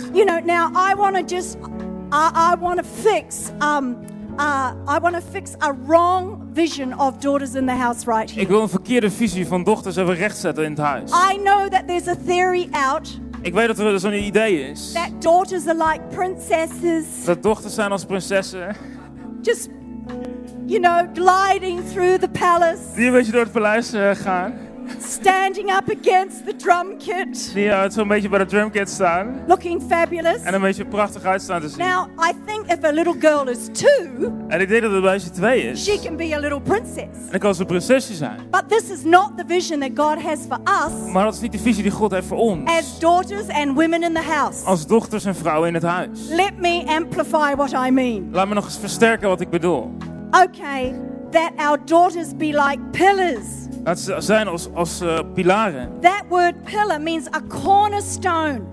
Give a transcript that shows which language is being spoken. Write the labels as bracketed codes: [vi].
[en] You know, now I want to just I want to fix a wrong vision of daughters in the house right here. [nl] Ik wil een verkeerde visie van dochters even rechtzetten in het huis. [en] I know that there's a theory out. [nl] Ik weet dat er zo'n idee is. [en] That daughters are like princesses. [nl] Dat dochters zijn als prinsessen. [en] Just, you know, gliding through the palace. [nl] Die een beetje door het paleis gaan. [en] Standing up against the drum kit. [nl] Die zo'n beetje bij de drum kit staan. [en] Looking fabulous. [nl] En een beetje prachtig uitstaan te zien. [en] Now, I think if a little girl is two. [nl] En ik denk dat het een beetje twee is. [en] She can be a little princess. [nl] En dan kan ze een prinsesje zijn. [en] But this is not the vision that God has for us. [nl] Maar dat is niet de visie die God heeft voor ons. [en] As daughters and women in the house. [nl] Als dochters en vrouwen in het huis. [en] Let me amplify what I mean. [nl] Laat me nog eens versterken wat ik bedoel. [en] Okay, that our daughters be like pillars. [nl] Dat ze zijn als pilaren. [en] That word pillar means a cornerstone.